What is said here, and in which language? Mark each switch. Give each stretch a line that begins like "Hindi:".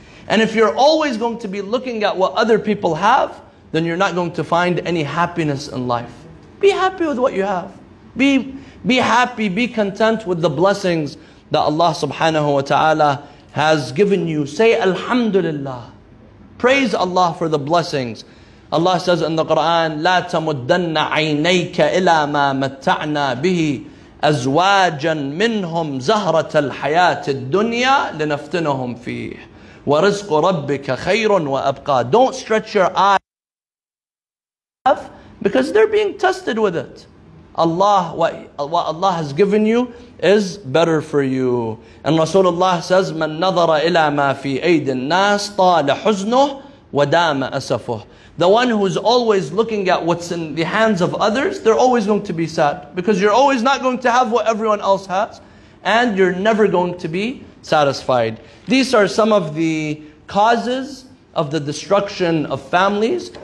English: And if you're always going to be looking at what other people have, then you're not going to find any happiness in life. Be happy with what you have. Be happy, be content with the blessings that Allah subhanahu wa ta'ala has given you. Say alhamdulillah. Praise Allah for the blessings. Allah says in the Quran,
Arabic: لا تمدن عينيك إلى ما متعنا به أزواجا منهم زهرة الحياة الدنيا لنفتنهم فيه ورزق ربك خير وأبقى.
English: Don't stretch your eyes because they're being tested with it. Allah, what Allah has given you is better for you. And Rasulullah says,
Arabic: مَن نَظَرَ إِلَى مَا فِي أَيْدِ النَّاسِ طَالَ حُزْنُهُ وَدَامَ أَسَفُهُ.
English: The one who's always looking at what's in the hands of others, they're always going to be sad. Because you're always not going to have what everyone else has. And you're never going to be satisfied. These are some of the causes of the destruction of families.